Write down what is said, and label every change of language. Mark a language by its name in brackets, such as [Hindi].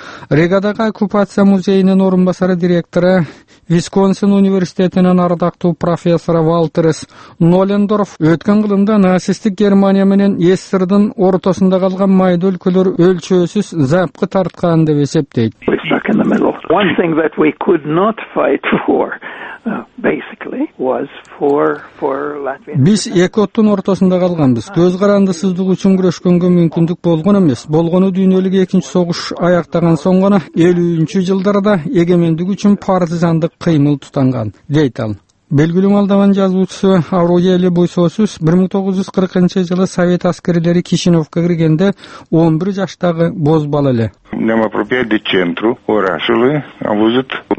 [Kyrgyz] Ригадагы оккупация музейинин орун басары директору Висконсин университетинин ардактуу профессору Валтерс Нолендорф өткөн кылымда нацисттик Германия менен СССРдин ортосунда калган майда өлкөлөр өлчөөсүз запкы тарткан деп эсептейт. [English] One thing that we could not fight for, basically, was for Latvia. [Kyrgyz] Биз эки оттун ортосунда калганбыз. Көз карандысыздык үчүн күрөшкөнгө мүмкүндүк болгон эмес. Болгону дүйнөлүк экинчи согуш аяктаган соң гана 50-чү жылдарда эгемендик үчүн партизандык кыймыл тутанган, дейт ал. Белгилүү малдаван жазуучусу Аврогели Буйсоосуз 1940-жылы совет аскерлери Кишиневке киргенде 11 жаштагы боз бала эле. Нам апропиат де центру, орашылы, а вузут